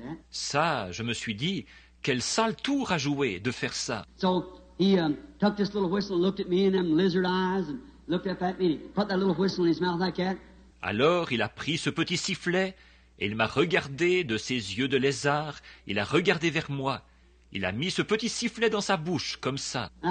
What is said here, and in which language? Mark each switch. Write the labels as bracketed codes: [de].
[fr] Ça, je me suis dit, quel sale tour à jouer de faire ça. [en] So he tucked this little whistle and looked at me in them lizard eyes and looked up at me and put that little whistle in his mouth like that. [fr] Alors, il a pris ce petit sifflet et il m'a regardé de ses yeux de lézard. Il a regardé vers moi. Il a mis ce petit sifflet dans sa bouche, comme ça.